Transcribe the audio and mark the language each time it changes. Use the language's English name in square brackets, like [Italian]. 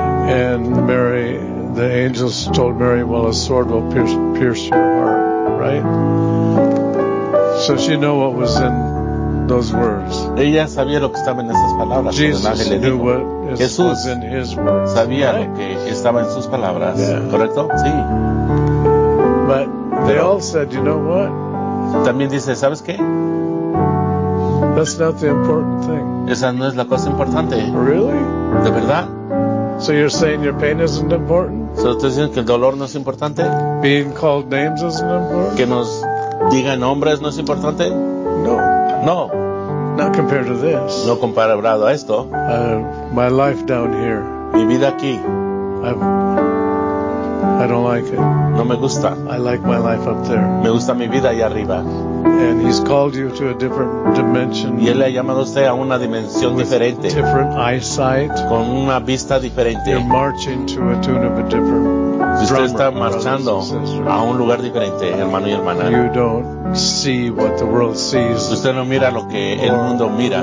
[English] And Mary, the angels told Mary, "Well, a sword will pierce your heart." Right. So she knew what was in those words. [Spanish] Ella sabía lo que estaba en esas palabras. [English] Jesus knew what [Spanish] Jesús [English] was in his words. [Spanish] Sabía [English] right? [Spanish] lo que estaba en sus palabras. Yeah. Correcto. Sí. [English] But they all said, you know what? [Spanish] También dice, ¿sabes qué? [English] That's not the important thing. [Spanish] Esa no es la cosa importante. [English] Really? [Spanish] ¿De verdad? [English] So you're saying your pain isn't important? [Spanish] ¿So estás diciendo que el dolor no es importante? [English] Being called names isn't important? [Spanish] ¿Que nos digan nombres no es importante? [English] No. [Spanish] No. [English] Not compared to this. [Spanish] No comparado a esto. [English] My life down here. [Spanish] Mi vida aquí. [English] I don't like it. [Spanish] No me gusta. [English] I like my life up there. [Spanish] Me gusta mi vida allá arriba. [English] And he's called you to a different dimension. [Spanish] Y él le ha llamado usted a una dimensión diferente. [English] Different eyesight. [Spanish] Con una vista diferente. [English] You're marching to a tune of a different drummer. [Spanish] Usted está marchando a un lugar diferente, hermano y hermana. [English] You don't see what the world sees. [Spanish] Usted no mira lo que el mundo mira.